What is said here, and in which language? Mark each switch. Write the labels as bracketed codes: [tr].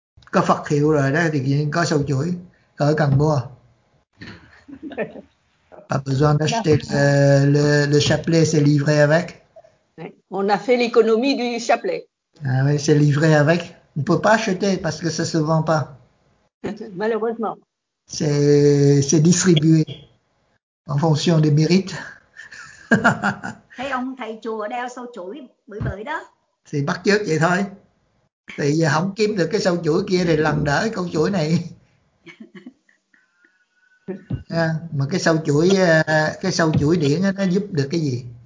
[vi] Có Phật hiệu rồi đó thì có sâu chuỗi, khỏi cần mua. [fr] Pas besoin d'acheter le chapelet, c'est livré avec. On a fait l'économie du chapelet. Ah oui, c'est livré avec. On ne peut pas acheter parce que ça ne se vend pas. Malheureusement. C'est distribué en fonction des mérites. [vi] Thấy ông thầy chùa đeo sâu chuỗi bởi bởi đó. C'est bắt chước vậy thôi. Thì giờ không kiếm được cái sâu chuỗi kia thì lần đỡ cái câu chuỗi này. Mà cái sâu chuỗi điển nó giúp được cái gì?